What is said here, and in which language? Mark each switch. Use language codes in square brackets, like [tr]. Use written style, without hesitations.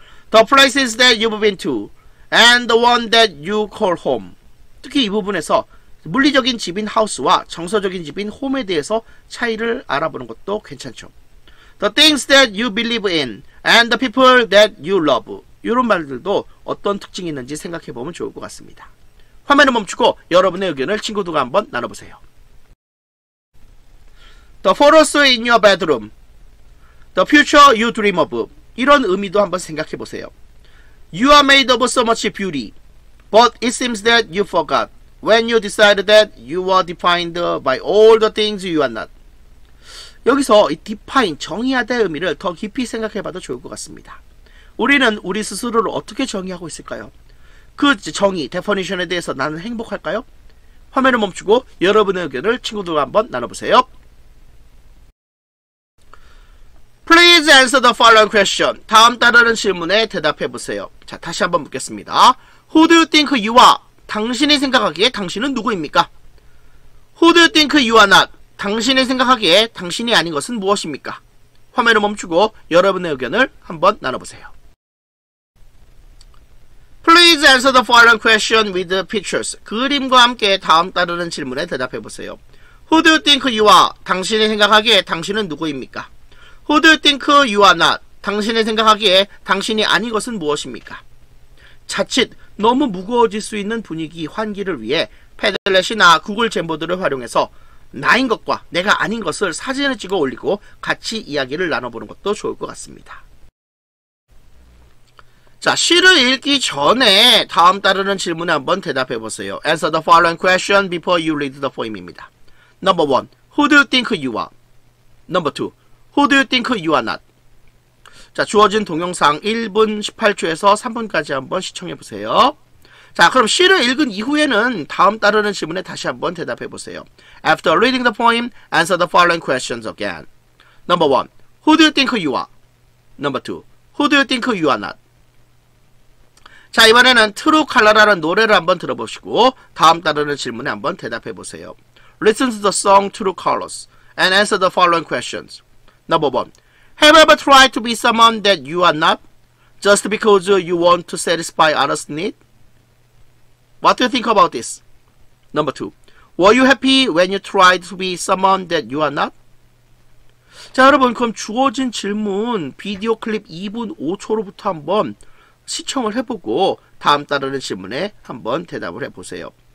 [en] The places that you've been to, and the one that you call home. [ko] 특히 이 부분에서 물리적인 집인 house와 정서적인 집인 home에 대해서 차이를 알아보는 것도 괜찮죠. [en] The things that you believe in, and the people that you love. [ko] 이런 말들도 어떤 특징이 있는지 생각해보면 좋을 것 같습니다. 화면을 멈추고 여러분의 의견을 친구들과 한번 나눠보세요. [en] The photos in your bedroom, the future you dream of, [ko] 이런 의미도 한번 생각해 보세요. [en] You are made of so much beauty, but it seems that you forgot when you decided that you were defined by all the things you are not. [ko] 여기서 이 define, 정의하다의 의미를 더 깊이 생각해 봐도 좋을 것 같습니다. 우리는 우리 스스로를 어떻게 정의하고 있을까요? 그 정의, definition에 대해서 나는 행복할까요? 화면을 멈추고 여러분의 의견을 친구들과 한번 나눠보세요. [en] Please answer the following question. [ko] 다음 따르는 질문에 대답해 보세요. 자, 다시 한번 묻겠습니다. [en] Who do you think you are? [ko] 당신이 생각하기에 당신은 누구입니까? [en] Who do you think you are not? [ko] 당신이 생각하기에 당신이 아닌 것은 무엇입니까? 화면을 멈추고 여러분의 의견을 한번 나눠보세요. [en] Please answer the following question with the pictures. [ko] 그림과 함께 다음 따르는 질문에 대답해 보세요. [en] Who do you think you are? [ko] 당신이 생각하기에 당신은 누구입니까? [en] Who do you think you are not? [ko] 당신이 생각하기에 당신이 아닌 것은 무엇입니까? 자칫 너무 무거워질 수 있는 분위기 환기를 위해 패들렛이나 구글 젠버드를 활용해서 나인 것과 내가 아닌 것을 사진을 찍어 올리고 같이 이야기를 나눠보는 것도 좋을 것 같습니다. 자, 시를 읽기 전에 다음 따르는 질문에 한번 대답해 보세요. [en] Answer the following question before you read the poem입니다. Number 1. Who do you think you are? Number 2. Who do you think you are not? [ko] 자, 주어진 동영상 1분 18초에서 3분까지 한번 시청해 보세요. 자, 그럼 시를 읽은 이후에는 다음 따르는 질문에 다시 한번 대답해 보세요. [en] After reading the poem, answer the following questions again. Number 1. Who do you think you are? Number 2. Who do you think you are not? [ko] 자, 이번에는 True Color라는 노래를 한번 들어보시고 다음 따르는 질문에 한번 대답해 보세요. [en] Listen to the song True Colors and answer the following questions. Number 1. Have you ever tried to be someone that you are not just because you want to satisfy others' need? What do you think about this? Number two. Were you happy when you tried to be someone that you are not? [ko] 자, 여러분, 그럼 주어진 질문 비디오 클립 2분 5초로부터 한번 시청을 해보고 다음 따르는 질문에 한번 대답을 해보세요.